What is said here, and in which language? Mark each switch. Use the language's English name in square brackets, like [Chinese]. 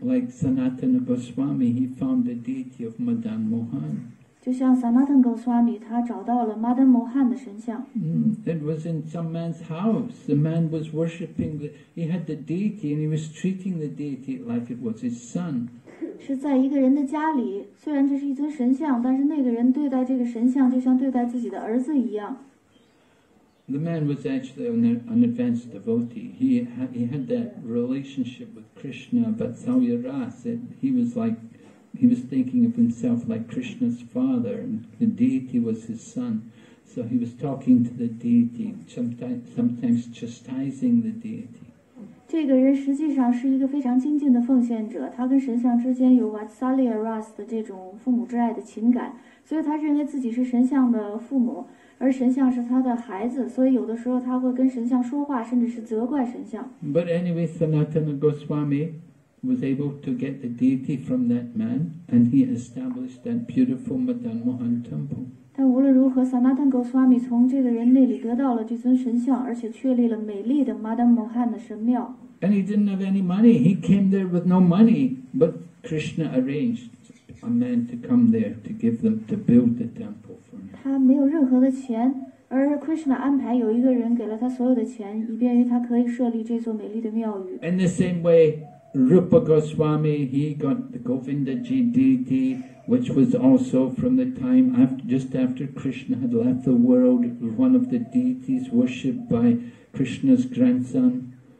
[English] Like Sanatan Goswami, he found the deity of Madan Mohan. [Chinese] 就像 Sanatan Goswami, 他找到了 Madan Mohan 的神像。 [English] It was in some man's house. The man was worshipping. He had the deity, and he was treating the deity like it was his son. [Chinese] 是在一个人的家里，虽然这是一尊神像，但是那个人对待这个神像就像对待自己的儿子一样。 [English] The man was actually an advanced devotee. He had that relationship with Krishna, but Salya Ra said he was thinking of himself like Krishna's father, and the deity was his son. So he was talking to the deity, sometimes chastising the deity. [Chinese] 这个人实际上是一个非常精进的奉献者，他跟神像之间有 Vatsalya Ras 的这种父母之爱的情感，所以他认为自己是神像的父母，而神像是他的孩子，所以有的时候他会跟神像说话，甚至是责怪神像。 [English] But anyway, Sanatana Goswami, was able to get the deity from that man, and he established that beautiful Madan Mohan temple. [Chinese] 但无论如何，萨纳坦·戈斯瓦米从这个人那里得到了这尊神像，而且确立了美丽的马丹摩汉的神庙。 [English] And he didn't have any money. He came there with no money, but Krishna arranged a man to come there to give them to build the temple for him. [Chinese] 他没有任何的钱，而 Krishna 安排有一个人给了他所有的钱，以便于他可以设立这座美丽的庙宇。 [English] In the same way, Rupa Goswami, he got the Govinda Ji deity. Which was also from the time after, just after Krishna had left the world, one of the deities worshipped by Krishna's grandson.